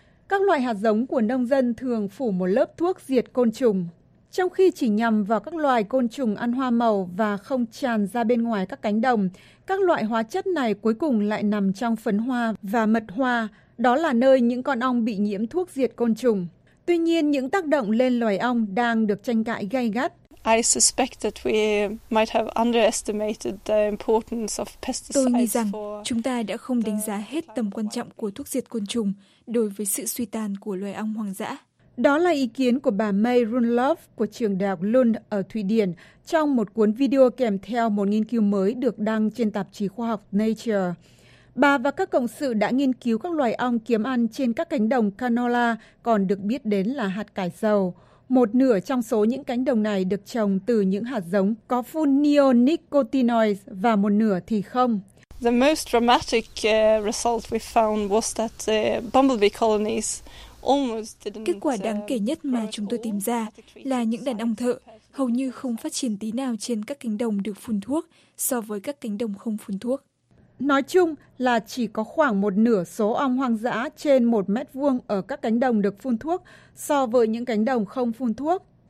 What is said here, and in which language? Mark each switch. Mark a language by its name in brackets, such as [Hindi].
[Vietnamese] Các loại hạt giống của nông dân thường phủ một lớp thuốc diệt côn trùng, trong khi chỉ nhằm vào các loài côn trùng ăn hoa màu và không tràn ra bên ngoài các cánh đồng, các loại hóa chất này cuối cùng lại nằm trong phấn hoa và mật hoa, đó là nơi những con ong bị nhiễm thuốc diệt côn trùng. Tuy nhiên, những tác động lên loài ong đang được tranh cãi gay gắt. [English] I suspect that we might have underestimated the importance of pesticides. [Vietnamese] Tôi nghĩ rằng chúng ta đã không đánh giá hết tầm quan trọng của thuốc diệt côn trùng đối với sự suy tàn của loài ong hoang dã. Đó là ý kiến của bà May Runlov của trường đại học Lund ở Thụy Điển trong một cuốn video kèm theo một nghiên cứu mới được đăng trên tạp chí khoa học Nature. Bà và các cộng sự đã nghiên cứu các loài ong kiếm ăn trên các cánh đồng canola, còn được biết đến là hạt cải dầu. Một nửa trong số những cánh đồng này được trồng từ những hạt giống có phun neonicotinoids và một nửa thì không. [English] The most dramatic result we found was that bumblebee colonies almost didn't. [Vietnamese] Kết quả đáng kể nhất mà chúng tôi tìm ra là những đàn ong thợ hầu như không phát triển tí nào trên các cánh đồng được phun thuốc so với các cánh đồng không phun thuốc. Nói chung là chỉ có khoảng một nửa số ong hoang dã trên 1 mét vuông ở các cánh đồng được phun thuốc so với những cánh đồng không phun thuốc.